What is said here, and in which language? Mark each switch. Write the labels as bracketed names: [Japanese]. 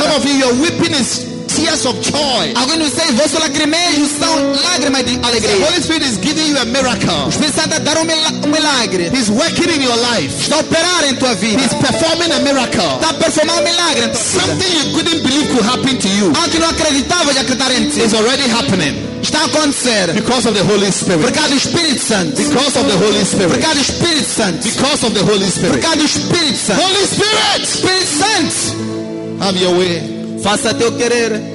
[English] Some of you, your weeping is tears of joy. [Portuguese] Alguns de vocês, vosso lacrimejo são lágrimas de alegria. [English] The Holy Spirit is giving you a miracle. [Portuguese] O Espírito Santo está dando um milagre. [English] He's working in your life. [Portuguese] Está operando em tua vida. [English] He's performing a miracle. [Portuguese] Está performando um milagre. [English] Something you couldn't believe could happen to you. [Portuguese] Algo que não acreditava de acreditar em ti. [English] Is already happening. [Portuguese] Está acontecendo. [English] Because of the Holy Spirit. [Portuguese] Por causa do Espírito Santo. [English] Because of the Holy Spirit. [Portuguese] Por causa do Espírito Santo. [English] Because of the Holy Spirit. [Portuguese] Por causa do Espírito Santo. [English] Holy Spirit. [Portuguese] Espírito Santo. [English] Have your way. [Portuguese] Faça teu querer.